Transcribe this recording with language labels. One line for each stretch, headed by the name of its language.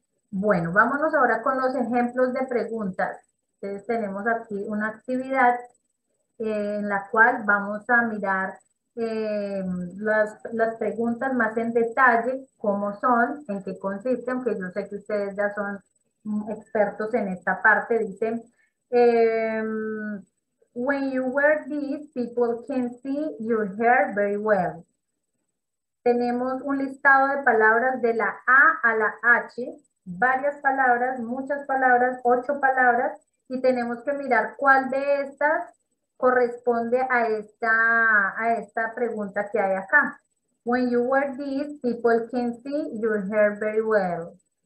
Spanish: Bueno, vámonos ahora con los ejemplos de preguntas. Entonces tenemos aquí una actividad en la cual vamos a mirar las preguntas más en detalle, cómo son, en qué consisten, aunque yo sé que ustedes ya son expertos en esta parte. Dicen,
English: when you wear this, people can see your hair very well.
Spanish: Tenemos un listado de palabras de la A a la H, varias palabras, muchas palabras, 8 palabras, y tenemos que mirar cuál de estas corresponde a esta pregunta que hay acá.
English: When you wear this, people can see your hair very well.